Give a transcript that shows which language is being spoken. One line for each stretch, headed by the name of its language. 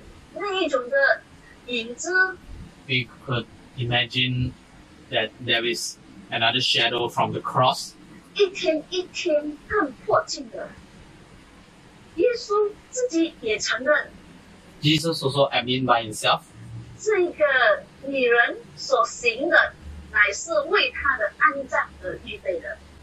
Chinese: 我们仿佛看到那个十字架的那一种的影子,
English: we could imagine that there is another shadow from the cross.
Chinese: 一天一天更迫近的, 耶稣自己也承认,
English: Jesus also admitted by himself,
Chinese: 这个女人所行的乃是为她的安葬而预备的。